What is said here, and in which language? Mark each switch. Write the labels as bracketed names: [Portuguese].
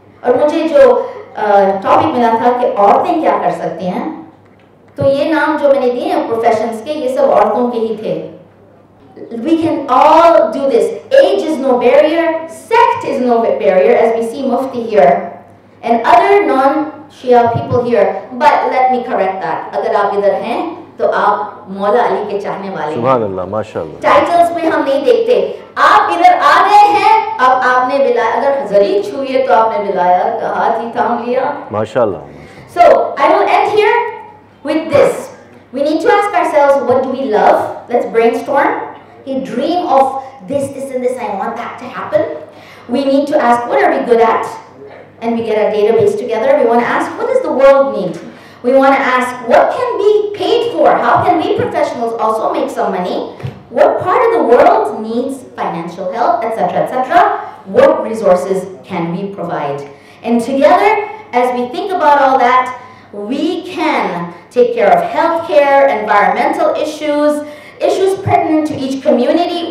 [Hindi] और मुझे जो टॉपिक मिला था कि औरतें क्या कर सकती हैं, तो ये नाम जो मैंने दिए हैं प्रोफेशंस के, ये सब औरतों के ही थे. [English] We can all do this. Age is no barrier, sect is no barrier, as we see Mufti here and other non-Shia people here. But let me correct that. [Hindi] अगर आप इधर हैं, तो आप मौला अली के चाहने वाले हैं. सुभानअल्लाह, माशाअल्लाह. टाइटल्स में हम नहीं देखते. आप इधर आ गए हैं. अब आपने बिलाया, अगर जरी छू तो आपने बिलाया, कहा थी थाम लिया. माशाल्लाह. [English] So I will end here with this. We need to ask ourselves, what do we love? Let's brainstorm. He dream of this this and this, I want that to happen. We need to ask, what are we good at? And we get a database together. We want to ask, what is the world need? We want to ask, what can be paid for? How can we professionals also make some money? What part of the world needs financial help, etc., etc.? What resources can we provide? And together, as we think about all that, we can take care of healthcare, environmental issues, issues pertinent to each community.